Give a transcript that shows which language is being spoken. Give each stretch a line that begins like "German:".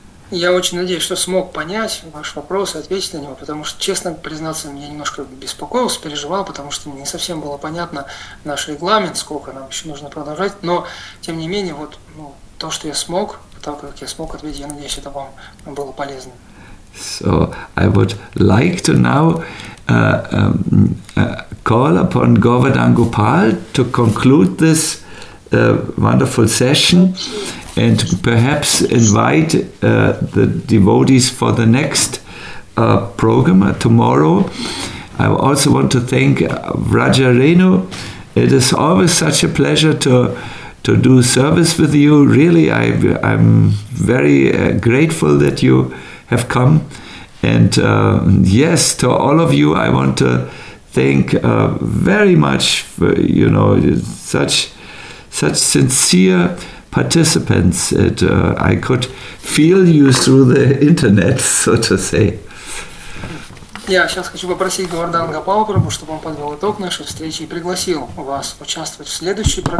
Russian: Я очень надеюсь, что смог понять ваш вопрос и ответить на него, потому что, честно признаться, меня немножко беспокоился, переживал, потому что не совсем было понятно наш регламент, сколько нам еще нужно продолжать, но, тем не менее, вот ну, то, что я смог, так как я смог ответить, я надеюсь, это вам было полезно.
English: So, I would like to now call upon Govardhan Gopal to conclude this wonderful session. And perhaps invite the devotees for the next program tomorrow. I also want to thank Raja Renu. It is always such a pleasure to do service with you. Really, I'm very grateful that you have come. And yes, to all of you, I want to thank very much for, you know, such sincere participants. It, I could feel you through the internet, so to say.
Russian: Я сейчас хочу попросить Говардхан Гопал Прабху, чтобы он подвел итог нашей встречи и пригласил вас участвовать в следующей программе.